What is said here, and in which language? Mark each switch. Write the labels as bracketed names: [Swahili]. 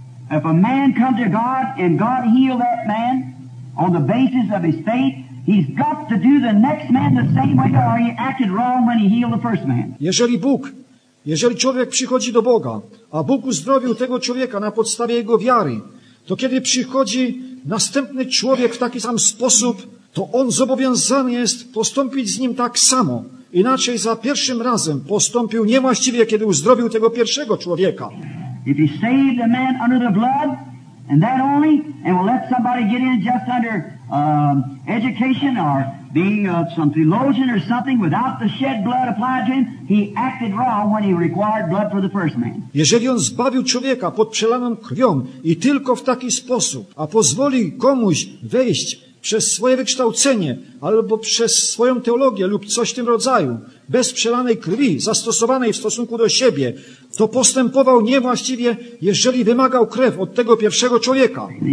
[English] If a man comes to God and God heal that man on the basis of his faith, he's got to do the next man the same way or he acted wrong when he healed the first man. [Polish] Jeżeli człowiek przychodzi do Boga, a Bóg uzdrowił tego człowieka na podstawie jego wiary, to kiedy przychodzi następny człowiek w taki sam sposób, to on zobowiązany jest postąpić z nim tak samo, Inaczej za pierwszym razem postąpił niewłaściwie, kiedy uzdrowił tego pierwszego człowieka. [English] If he saved a man under the blood and that only, and will let somebody get in just under education or being some theologian or something without the shed blood applied to him, he acted wrong when he required blood for the first man. [Polish] Jeżeli on zbawił człowieka pod przelaną krwią i tylko w taki sposób, a pozwoli komuś wejść przez swoje wykształcenie albo przez swoją teologię lub coś w tym rodzaju, bez przelanej krwi zastosowanej w stosunku do siebie, to postępował niewłaściwie, jeżeli wymagał krew od tego pierwszego człowieka.